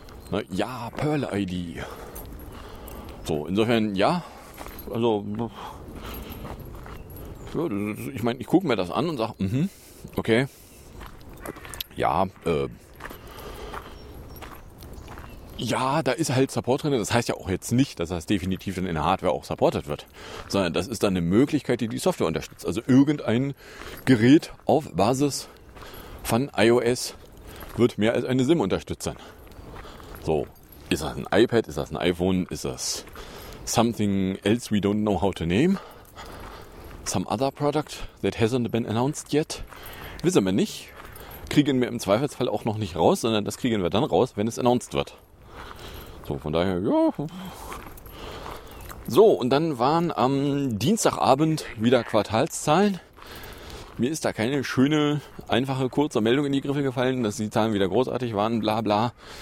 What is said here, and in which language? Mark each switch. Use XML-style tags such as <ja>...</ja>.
<de>Na, ja, Pearl ID. So, insofern, ja, also, ja, ich meine, ich gucke mir das an und sage, okay, ja, ja, da ist halt Support drin. Das heißt ja auch jetzt nicht, dass das definitiv dann in der Hardware auch supportet wird. Sondern das ist dann eine Möglichkeit, die die Software unterstützt. Also irgendein Gerät auf Basis von iOS wird mehr als eine SIM unterstützen. So, ist das ein iPad? Ist das ein iPhone? Ist das</de> <en>something else we don't know how to name? Some other product that hasn't been announced yet?</en> <de>Wissen wir nicht. Kriegen wir im Zweifelsfall auch noch nicht raus, sondern das kriegen wir dann raus, wenn es announced wird. So, von daher, ja. So, und dann waren am Dienstagabend wieder Quartalszahlen. mir ist da keine schöne, einfache, kurze Meldung in die Griffe gefallen, dass die Zahlen wieder großartig waren, bla bla.</de>